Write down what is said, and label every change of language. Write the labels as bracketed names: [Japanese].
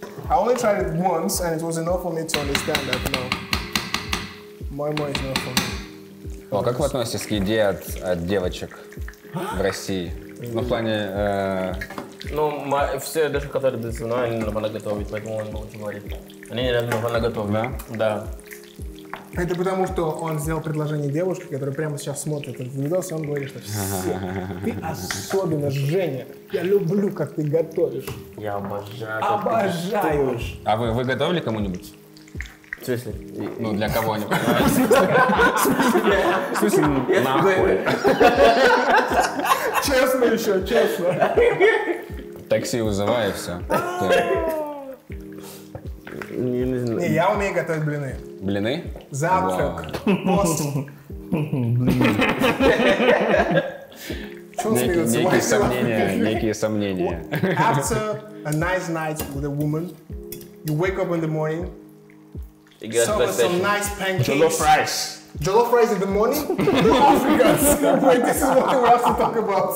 [English] I only tried it once and it was enough for me to understand that, no. Мой-мой is enough for me. [Russian] О, как вы относитесь к еде от девочек в России? Ну, в плане... Ну, все девушки, которые здесь, ну, они нормально готовят, поэтому он очень говорит. Они нормально готовят. Да? Да. Это потому, что он сделал предложение девушке, которая прямо сейчас смотрит этот видос, и он говорит, что все, ты особенно, Женя, я люблю, как ты готовишь. Я обожаю, как обожаю. А вы готовили кому-нибудь? В смысле? Ну, для кого-нибудь. В смысле, нахуй. Честно еще, честно. Такси вызывай, и все. Не, я умею готовить блины. Блины? Завтрак. Пост. Блины. Некие сомнения, некие сомнения. [English] After a nice night with a woman, you wake up in the morning, some nice pancakes. Jollof rice. Jollof rice in the morning? Wait, this is what we have to talk about.